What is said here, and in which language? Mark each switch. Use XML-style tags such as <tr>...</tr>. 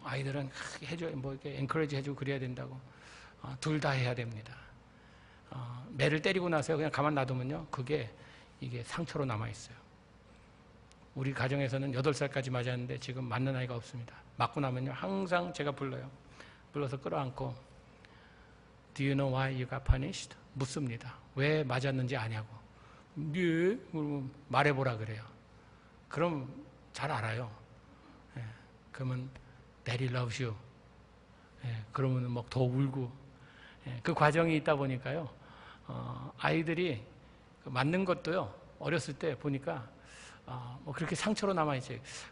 <ko>아이들은 크게 해줘, 뭐 이렇게 앵커리지 해주고 그래야 된다고. 둘 다 해야 됩니다. 매를 때리고 나서 그냥 가만 놔두면요, 그게 이게 상처로 남아 있어요. 우리 가정에서는 8살까지 맞았는데 지금 맞는 아이가 없습니다. 맞고 나면요, 항상 제가 불러요. 불러서 끌어안고</ko> <en>Do you know why you got punished?</en> <ko>묻습니다. 왜 맞았는지 아냐고. 네? 그러면 말해보라 그래요. 그럼 잘 알아요. 예, 그러면</ko> <en>Daddy loves you.</en> <ko>예, 그러면 막 더 울고. 그 과정이 있다 보니까요, 아이들이 맞는 것도요, 어렸을 때 보니까 뭐 그렇게 상처로 남아있지.</ko>